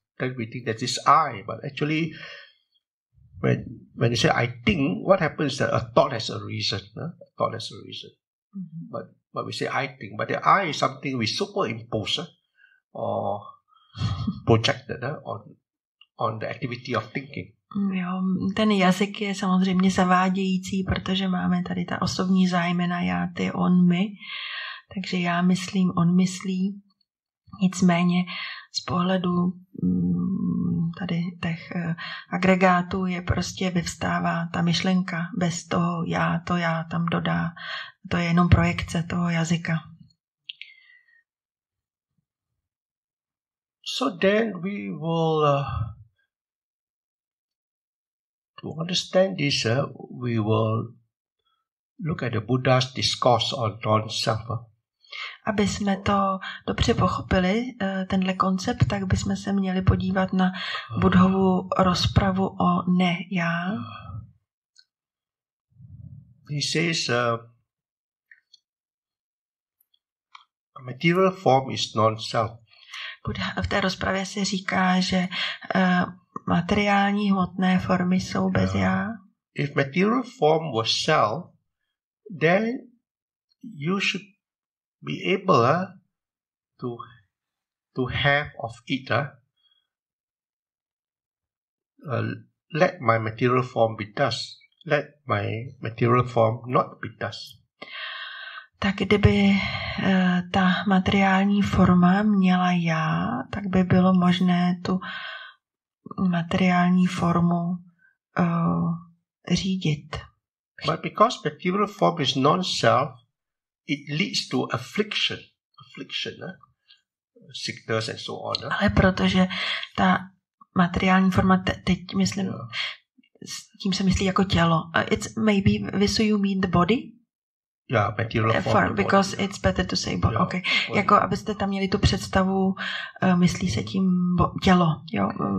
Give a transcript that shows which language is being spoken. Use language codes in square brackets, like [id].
[en] Then we think that it's I, but actually When you say I think, what happens is that a thought has a reason. A thought has a reason. Mm-hmm. But we say I think. But the I is something we superimpose or projected on the activity of thinking. [cs] Jo, ten jazyk je samozřejmě zavádějící, protože máme tady ta osobní zájmena já, ty, on, my. Takže já myslím, on myslí. Nicméně z pohledu tady těch agregátů je prostě vyvstává ta myšlenka bez toho já, to já tam dodá. To je jenom projekce toho jazyka. [en] So then we will to understand this, we will look at the Buddha's discourse on non-self. [cs] Aby jsme to dobře pochopili, tenhle koncept, tak bychom se měli podívat na Buddhovu rozpravu o ne já. [en] He says, A material form is non-self. [cs] V té rozpravě se říká, že materiální hmotné formy jsou bez já. [en] If material form was self, then you should be able to have of it. Let my material form be dust. Let my material form not be dust. [cs] Tak kdyby ta materiální forma měla já, tak by bylo možné tu materiální formu řídit. [en] But because material form is non-self, it leads to affliction, sickness and so on. [cs] Ale protože ta materiální forma, teď myslím, s tím se myslí jako tělo. [en] It's maybe, so you mean the body? Yeah, material form. Because body, it's better to say body. Yeah, okay. Body. [cs] Jako abyste tam měli tu představu, myslí se tím tělo. Jo?